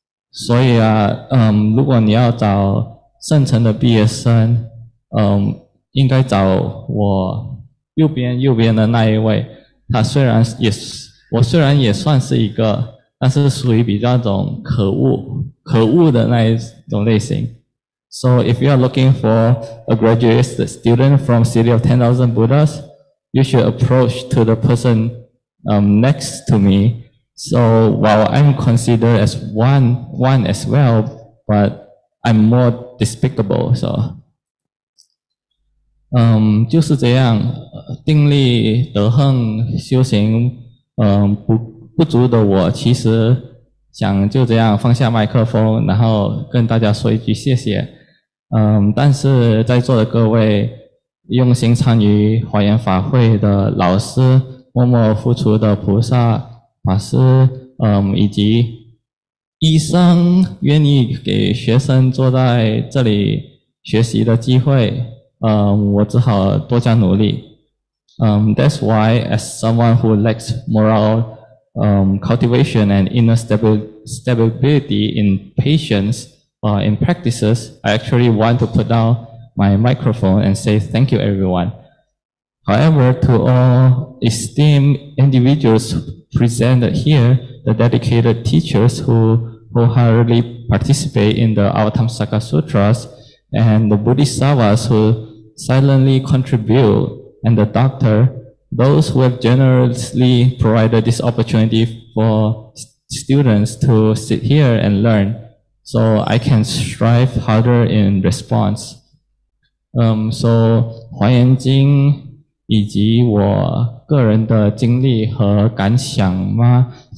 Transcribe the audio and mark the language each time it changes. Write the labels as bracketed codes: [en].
[zh] 所以啊，如果你要找圣城的毕业生，应该找我右边的那一位。他虽然也是，我虽然也算是一个，但是属于比较那种可恶的那一种类型。 [en] So if you are looking for a graduate student from City of 10,000 Buddhas, you should approach to the person next to me. So while I'm considered as one as well, but I'm more despicable. [zh] So, 就是这样，定力得恒修行，不足的我其实想就这样放下麦克风，然后跟大家说一句谢谢。但是在座的各位用心参与华严法会的老师，默默付出的菩萨法师，以及医生愿意给学生坐在这里学习的机会，我只好多加努力。 [en] That's why as someone who lacks moral cultivation and inner stability in patience, in practices, I actually want to put down my microphone and say thank you everyone. However, to all esteemed individuals presented here, the dedicated teachers who wholeheartedly participate in the Avatamsaka Sutras, and the Bodhisattvas who silently contribute, and the doctor, those who have generously provided this opportunity for students to sit here and learn, so I can strive harder in response. [zh] So, 华严经以及我个人的经历和感想吗？